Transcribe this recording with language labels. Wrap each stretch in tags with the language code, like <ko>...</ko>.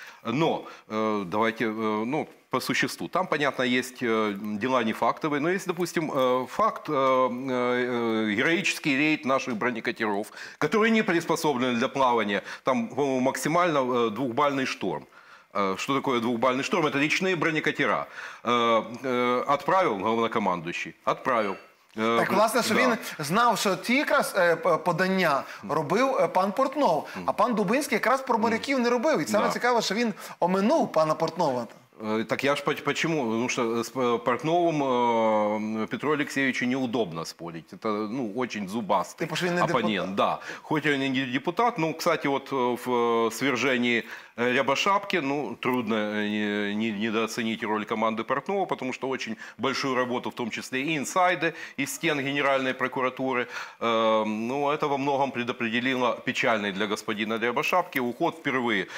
<ru>Но давайте, ну, по существу. Там, понятно, есть дела нефактовые, но есть, допустим, факт, героический рейд наших бронекатеров, которые не приспособлены для плавания, там максимально двухбальный шторм. Что такое двухбальный шторм? Это речные бронекатера. Отправил главнокомандующий? Отправил.</ru> <uk>Так, власне, що він знав, що ті якраз подання робив пан Портнов, а пан Дубинський якраз про моряків не робив. І саме цікаво, що він оминув пана Портнова.</uk> <ru>Так я ж почему? Потому что с Портновым Петру Алексеевичу неудобно спорить. Это, ну, очень зубастый оппонент. Да. Хоть он и не депутат, но, кстати, вот в свержении Рябошапки, ну, трудно недооценить роль команды Портнова, потому что очень большую работу, в том числе и инсайды из стен Генеральной прокуратуры, ну, это во многом предопределило печальный для господина Рябошапки уход впервые.</ru>